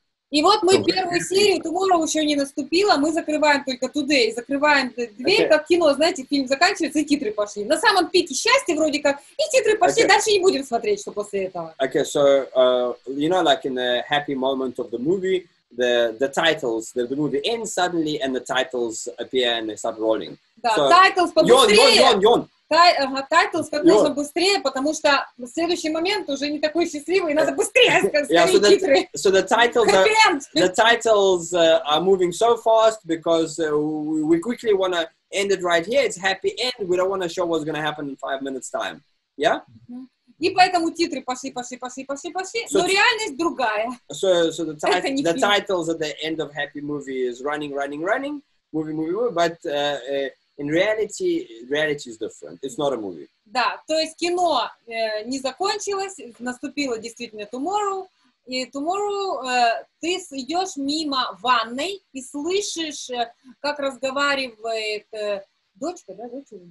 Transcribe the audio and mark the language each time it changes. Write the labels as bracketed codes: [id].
[ru] И вот мы первую серию tomorrow еще не наступило, мы закрываем только today, закрываем дверь, okay. Как кино, знаете, фильм заканчивается и титры пошли. На самом пике счастья вроде как и титры пошли, okay. Дальше не будем смотреть, что после этого. [en] Okay, so you know, like in the happy moment of the movie, the titles, the movie ends suddenly and the titles appear and they start rolling. [ru] Да, so, titles побыстрее. Yon. Titles как можно быстрее, потому что следующий момент уже не такой счастливый, и надо быстрее сказать титры. [en] So the titles are moving so fast because we quickly want to end it right here. It's happy end. We don't want to show what's going to happen in 5 minutes time. Yeah. [ru] Mm-hmm. И поэтому титры пошли. So, но реальность другая. [en] So the titles at the end of happy movie is running, moving, but. In reality is different. It's not a movie. [ru] Да, то есть кино не закончилось, наступило действительно tomorrow, и tomorrow ты идешь мимо ванной и слышишь, как разговаривает дочка, да, дочь?